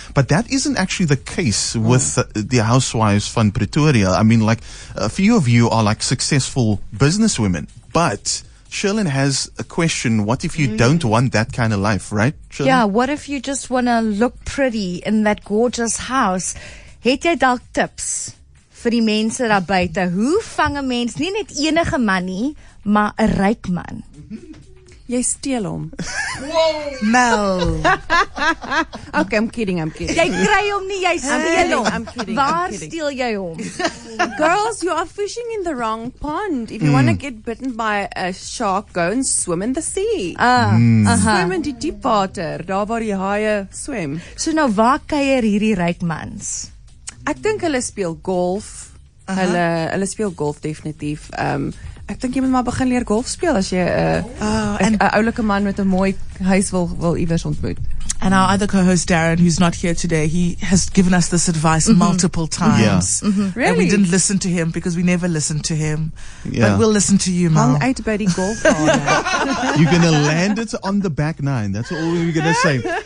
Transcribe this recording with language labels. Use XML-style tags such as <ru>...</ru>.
<en>But that isn't actually the case with the Housewives from Pretoria. I mean, like a few of you are like successful businesswomen. But Sherlyn has a question. What if you don't want that kind of life, right, Sherlyn? Yeah, what if you just want to look pretty in that gorgeous house?</en> <af>Het jy dalk tips vir die mense daar buite? Hoe vang 'n mens nie net enige man nie, maar 'n ryk man? Jy steel hom.</af> <en>Whoa. Mel. Okay, I'm kidding.</en> <af>Jy kry hom nie, jy steel hom.</af> <en>I'm kidding.</en> <af>Waar steel jy hom?</af> <en>Girls, you are fishing in the wrong pond. If you want to get bitten by a shark, go and swim in the sea. Swim in</en> <af>die diep water, daar waar die haie swem. So nou, waar kuier hierdie ryk mans? Ek dink hulle speel golf. Hulle speel golf definitief. Ek dink jy moet maar begin leer golf speel as jy 'n oulike man met 'n mooi huis wil iewers ontmoet.</af> <en>And our other co-host Darren, who's not here today, he has given us this advice multiple times. Yeah. Really? And we didn't listen to him because we never listened to him. Yeah. But we'll listen to you, Mel. Hung 8 birdie golf ball. You're going to land it on the back nine. That's all we're going to say.</en>